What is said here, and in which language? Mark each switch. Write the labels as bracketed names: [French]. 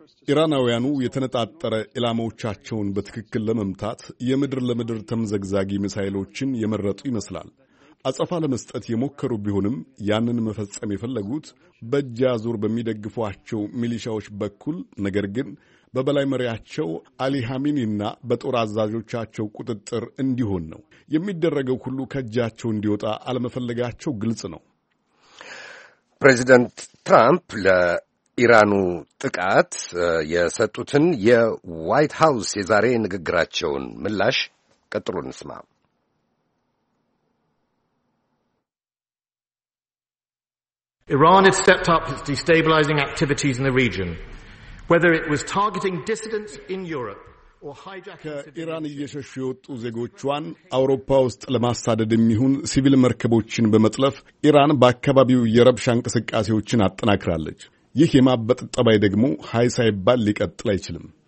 [Amharic] ኢራናውያኑ የተነጣጠረ ኢላማዎቻቸውን በትክክል ለመምታት የምድር ለምድር ተምዘግዛጊ ሚሳይሎችን የመረጡ ይመስላል። አጸፋ ለመስጠት የሞከሩ ቢሆንም ያንን መፈጸም የፈለጉት በእጅ አዙር በሚደግፏቸው ሚሊሻዎች በኩል፣ ነገር ግን በበላይ መሪያቸው አሊ ሐሚኒና በጦር አዛዦቻቸው ቁጥጥር እንዲሆን ነው። የሚደረገው ሁሉ ከእጃቸው እንዲወጣ አለመፈለጋቸው ግልጽ ነው። ፕሬዚደንት ትራምፕ ኢራኑ ጥቃት የሰጡትን የዋይት ሃውስ የዛሬ ንግግራቸውን ምላሽ ቀጥሎ እንስማ። [English] Iran has stepped up its destabilizing activities in the region, whether it was targeting dissidents in Europe or hijacking [Amharic] ኢራን እየሸሹ የወጡ ዜጎቿን አውሮፓ ውስጥ ለማሳደድ የሚሆን ሲቪል መርከቦችን በመጥለፍ ኢራን በአካባቢው የረብሻ እንቅስቃሴዎችን አጠናክራለች። ይህ የማበጥ ጠባይ ደግሞ ኃይ ሳይባል ሊቀጥል አይችልም።